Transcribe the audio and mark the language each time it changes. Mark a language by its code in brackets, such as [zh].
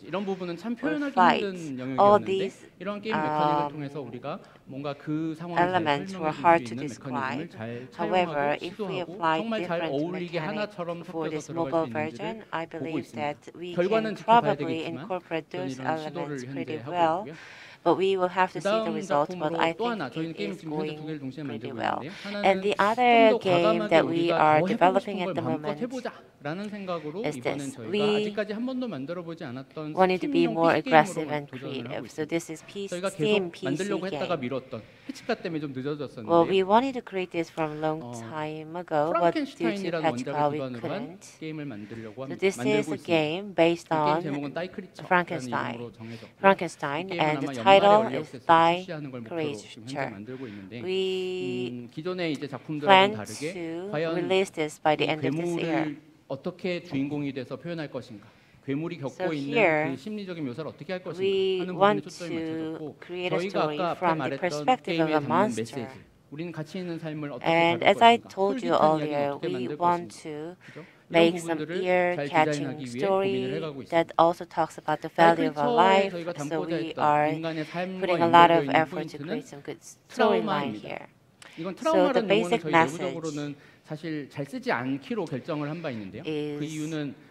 [ko] 이런 부분은 참 표현하기 힘든 영역이었는데 이런 게임 메커닉을 통해서 우리가 뭔가 그 상황을 잘 설명할 수 있는 메커닉을 잘 [en] However, [ko] 사용하고 시도하고 정말 잘 어울리게 하나처럼 섞여서 들어갈 수 있는지를 보고 있습니다. [en] We [ko] 결과는 지켜봐야 되겠지만 저는 이런 시도를 현재 하고 있고요. [en] But we will have to see the result, but I think it's going pretty well. And the other game that we are developing at the moment is this. We wanted to be more aggressive and creative. So this is Steam PC game. Well, we wanted to create this from a long time ago, but due to Petrichka, we couldn't. So this is a game based on Frankenstein. Frankenstein and the title is by creature. We plan to release this by the end of this year. [ko] 어떻게 주인공이 돼서 표현할 것인가? 괴물이 겪고 있는 그 심리적인 묘사를 어떻게 할 것인가 하는 부분에 초점이 맞춰졌고 저희가 아까 말했던 게임의 담은 메시지. 우리는 가치 있는 삶을 어떻게 살 것인가? 그리고 어떻게 만들 것인가? [en] Make some ear-catching story that also talks about the value of our life. So we are putting a lot of effort to create some good storyline here. So the basic message is